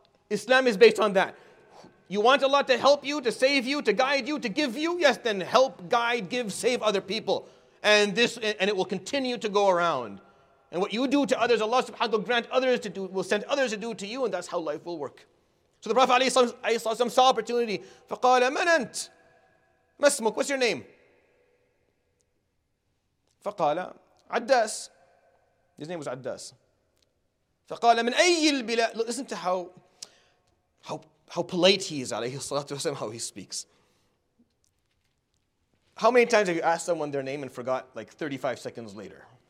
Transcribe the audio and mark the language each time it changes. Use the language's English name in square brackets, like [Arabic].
[English] Islam is based on that. You want Allah to help you, to save you, to guide you, to give you? Yes, then help, guide, give, save other people. And it will continue to go around. And what you do to others, Allah subhanahu wa ta'ala will send others to do to you, and that's how life will work. So the Prophet ﷺ saw opportunity. [Arabic] فَقَالَ مَنْ أَنْتْ مَا اسْمُكْ [English] What's your name? [Arabic] فَقَالَ [English] عَدَّاس His name was عَدَّاس. [Arabic] فَقَالَ مَنْ أَيِّ الْبِلَاءِ [English] Look, listen to how polite he is, alayhi salatu wasalam, how he speaks. How many times have you asked someone their name and forgot like 35 seconds later?